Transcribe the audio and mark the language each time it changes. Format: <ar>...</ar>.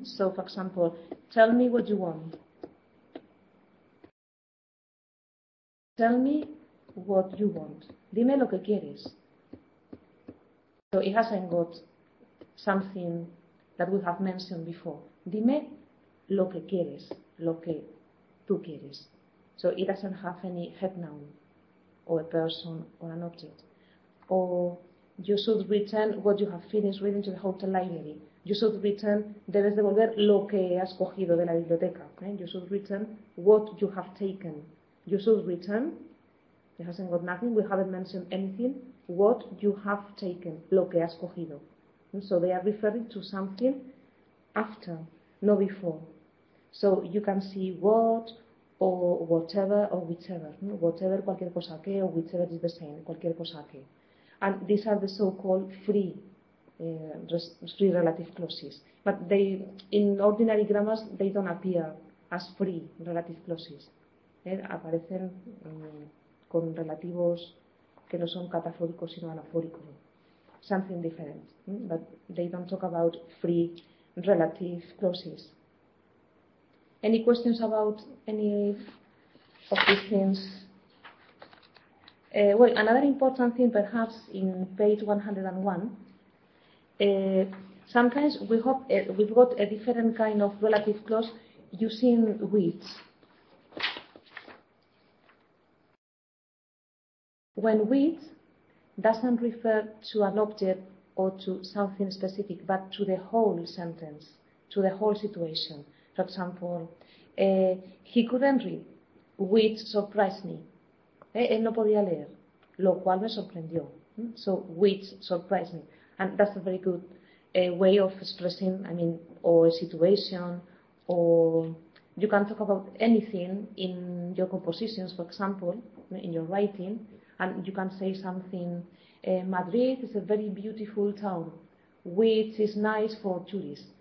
<en>So, for example, tell me what you want. Tell me what you want.</en> <es>Dime lo que quieres.</es> <en>So it hasn't got something that we have mentioned before.</en> <es>Dime lo que quieres, lo que tú quieres.</es> <en>So it doesn't have any head noun, or a person, or an object. Or you should return what you have finished reading to the hotel library. You should return,</en> <es>debes devolver lo que has cogido de la biblioteca.</es> <en>Okay? You should return what you have taken. You should return, it hasn't got nothing, we haven't mentioned anything, what you have taken,</en> <es>lo que has cogido.</es> <en>And so they are referring to something after, not before. So you can see what, or whatever, or whichever. No? Whatever,</en> <es>cualquier cosa que,</es> <en>or whichever is the same, cualquier cosa que. And these are the so-called free, free relative clauses. But they, in ordinary grammars, they don't appear as free relative clauses.</en> <es>Aparecen con relativos que no son catafóricos, sino anafóricos.</es> <en>Something different. But they don't talk about free relative clauses. Any questions about any of these things? Well, another important thing, perhaps, in page 101, sometimes we have, we've got a different kind of relative clause using which. When which doesn't refer to an object or to something specific, but to the whole sentence, to the whole situation. For example, he couldn't read, which surprised me.</en> <es>Él no podía leer, lo cual me sorprendió.</es> <en>So, which surprised me. And that's a very good way of expressing, I mean, or a situation, or you can talk about anything in your compositions, for example, in your writing, and you can say something, Madrid is a very beautiful town, which is nice for tourists.</en>